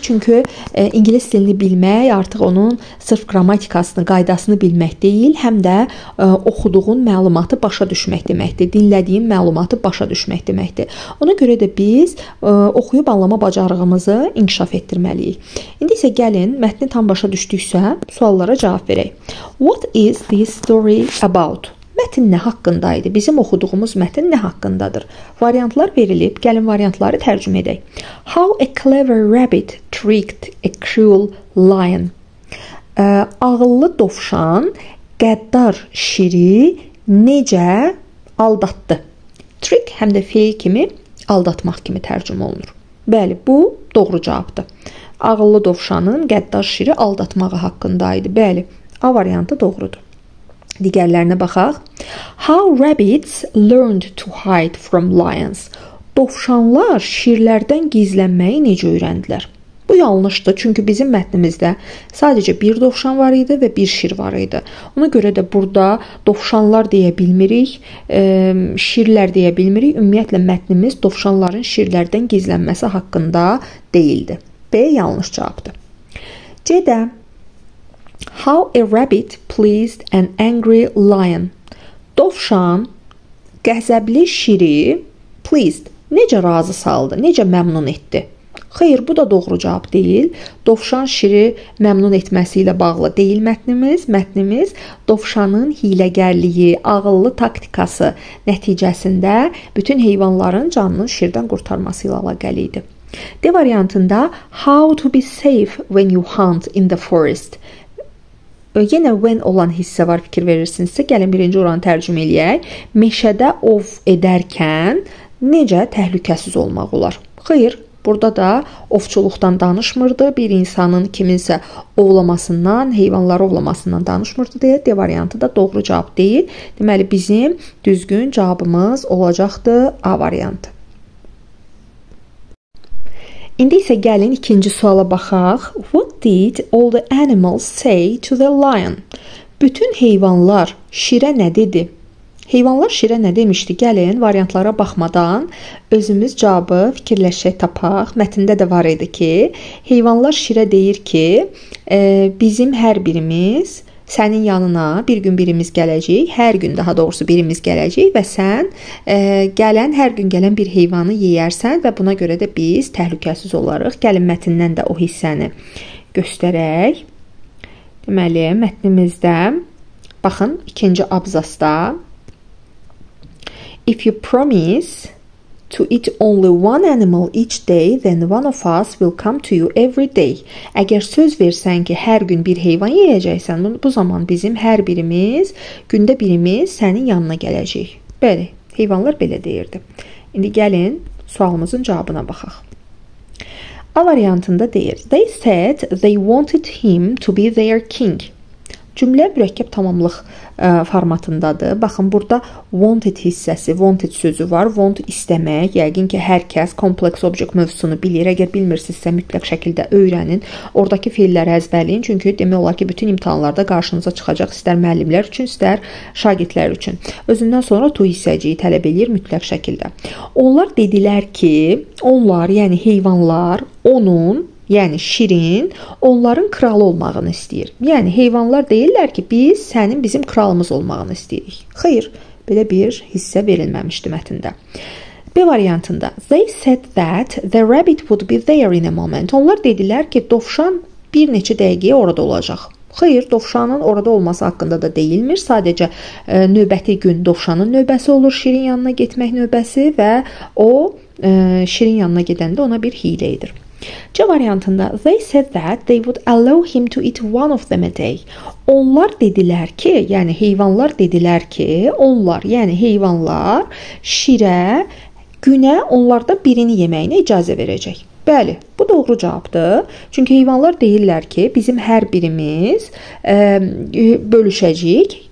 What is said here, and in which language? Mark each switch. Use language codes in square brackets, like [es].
[az] Çünki ingilis dilini bilmək artıq onun sırf qrammatikasını, qaydasını bilmək deyil, həm də oxuduğun məlumatı başa düşmək deməkdir. Dinlədiyin məlumatı başa düşmək deməkdir. Ona görə də biz oxuyub anlama bacarığımızı inkişaf etdirməliyik. İndi isə gəlin, mətni tam başa düşdüksə suallara cavab verək. [en] What is this story about? [az] Mətin nə haqqındaydı? Bizim oxuduğumuz mətin nə haqqındadır? Variantlar verilib, gəlin variantları tərcümə edək. [en] How a clever rabbit tricked a cruel lion. [az] Ağıllı dovşan qəddar şiri necə aldatdı? Trick həm də fiil kimi, aldatmaq kimi tərcümə olunur. Bəli, bu doğru cavabdır. Ağıllı dovşanın qəddar şiri aldatmağı haqqındaydı. Bəli, A variantı doğrudur. Digərlərinə baxaq. [en] How rabbits learned to hide from lions. [az] Dovşanlar şirlərdən gizlənməyi necə öyrəndilər? Bu yanlışdır, çünki bizim mətnimizdə sadəcə bir dovşan var idi və bir şir var idi. Ona görə də burada dovşanlar deyə bilmirik, şirlər deyə bilmirik. Ümumiyyətlə, mətnimiz dovşanların şirlərdən gizlənməsi haqqında deyildi. B yanlış cavabdır. C-də. [en] How a rabbit pleased an angry lion. [az] Dovşan qəzəbli şiri pleased, necə razı saldı, necə məmnun etdi. Xeyr, bu da doğru cavab deyil. Dovşan şiri məmnun etməsi ilə bağlı deyil mətnimiz. Mətnimiz dovşanın hiləgərliyi, ağıllı taktikası nəticəsində bütün heyvanların canını şirdən qurtarması ilə əlaqəli idi. D variantında [en] how to be safe when you hunt in the forest. [az] Yenə when olan hissə var, fikir verirsinizsə, gəlin birinci oranı tərcümə eləyək. Meşədə ov edərkən necə təhlükəsiz olmaq olar? Xeyr, burada da ovçuluqdan danışmırdı, bir insanın kiminsə ovlamasından, heyvanları ovlamasından danışmırdı deyə D variantı da doğru cavab deyil. Deməli, bizim düzgün cavabımız olacaqdı A variantı. İndi isə gəlin ikinci suala baxaq. [en] What did all the animals say to the lion? [az] Bütün heyvanlar şirə nə dedi? Heyvanlar şirə nə demişdi? Gəlin, variantlara baxmadan özümüz cavabı fikirləşək tapaq. Mətində də var idi ki, heyvanlar şirə deyir ki, bizim hər birimiz sənin yanına bir gün birimiz gələcək, hər gün daha doğrusu birimiz gələcək və sən gələn, hər gün gələn bir heyvanı yeyərsən və buna görə də biz təhlükəsiz olarıq. Gəlin, mətindən də o hissəni göstərək. Deməli, mətnimizdə, baxın, ikinci abzasda. [en] If you promise to eat only one animal each day, then one of us will come to you every day. [az] Əgər söz versən ki, hər gün bir heyvan yeyəcəksən, bu zaman bizim hər birimiz, gündə birimiz sənin yanına gələcək. Bəli, heyvanlar belə deyirdi. İndi gəlin, sualımızın cavabına baxaq. A variantında deyir, [en] they said they wanted him to be their king. [az] Cümlə mürəkkəb tamamlıq formatındadır. Baxın, burada wanted hissəsi, wanted sözü var. Want istəmək, yəqin ki, hər kəs kompleks object mövzusunu bilir. Əgər bilmirsinizsə, mütləq şəkildə öyrənin. Oradakı fiilləri əzbərləyin. Çünki demək olar ki, bütün imtahanlarda qarşınıza çıxacaq istər müəllimlər üçün, istər şagirdlər üçün. Özündən sonra to hissəciyi tələb eləyir mütləq şəkildə. Onlar dedilər ki, onlar, yəni heyvanlar, onun, yəni şirin, onların kralı olmağını istəyir. Yəni, heyvanlar deyirlər ki, biz sənin bizim kralımız olmağını istəyirik. Xeyr, belə bir hissə verilməmişdi mətində. B variantında, [en] they said that the rabbit would be there in a moment. [az] Onlar dedilər ki, dovşan bir neçə dəqiqəyə orada olacaq. Xeyr, dovşanın orada olması haqqında da deyilmir. Sadəcə növbəti gün dovşanın növbəsi olur, şirin yanına getmək növbəsi və o şirin yanına gedəndə ona bir hilə edir. C variantında [en] they said that they would allow him to eat one of them a day. [az] Onlar dedilər ki, yəni heyvanlar dedilər ki, onlar, yəni heyvanlar şirə günə onlarda birini yeməyinə icazə verəcək. Bəli, bu doğru cavabdır. Çünki heyvanlar deyirlər ki, bizim hər birimiz bölüşəcəyik.